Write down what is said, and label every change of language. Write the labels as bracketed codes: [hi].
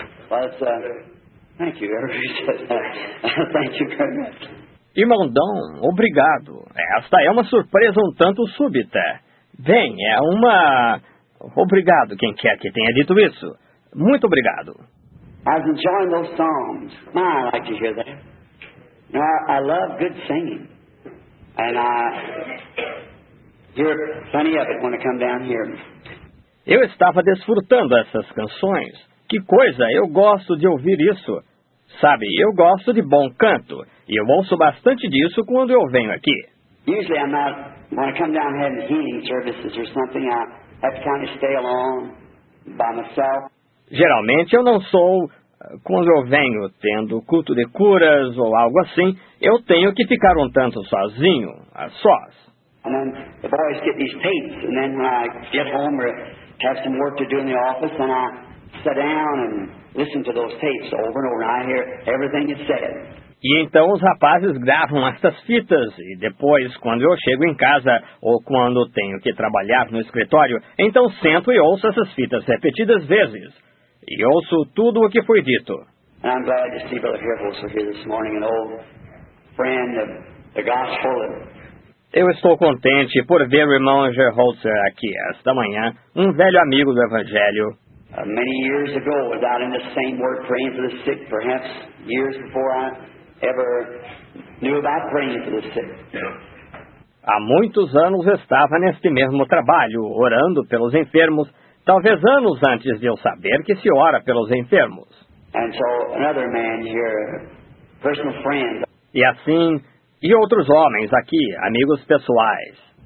[en] Well, it's, thank you, everybody. Thank you very much. [pt] Irmão Dom, obrigado. Esta é uma surpresa um tanto súbita. Bem, é uma... Obrigado, quem quer que tenha dito isso. Muito obrigado. [en] I've enjoyed those songs. I like to hear that. I love good singing. And I... You're plenty of it when I come down here. [pt] Eu estava desfrutando essas canções. Que coisa, eu gosto de ouvir isso. Sabe, eu gosto de bom canto. E eu ouço bastante disso quando eu venho aqui. [en] Usually I'm not, when I come down here in healing services or something, I have to kind of stay alone by myself. [pt] Geralmente eu não sou, quando eu venho tendo culto de curas ou algo assim, eu tenho que ficar um tanto sozinho, a sós. [en] And then the boys get these tapes, and then when I get home or have some work to do in the office, then I sit down and listen to those tapes over and over, and I hear everything you said. [pt] E então os rapazes gravam estas fitas, e depois, quando eu chego em casa, ou quando tenho que trabalhar no escritório, então sento e ouço essas fitas repetidas vezes, e ouço tudo o que foi dito. [en] And I'm glad to see Brother Hiff also here this morning, an old friend of the gospel. [pt] Eu estou contente por ver o irmão Gerholzer aqui esta manhã, um velho amigo do Evangelho. [en] Many years ago, I was out in the same ward praying for the sick, perhaps years before I ever knew about praying for the sick. [pt] Há muitos anos estava neste mesmo trabalho, orando pelos enfermos, talvez anos antes de eu saber que se ora pelos enfermos. [en] And so, another man here, personal friend. [pt] E assim... E outros homens aqui, amigos pessoais.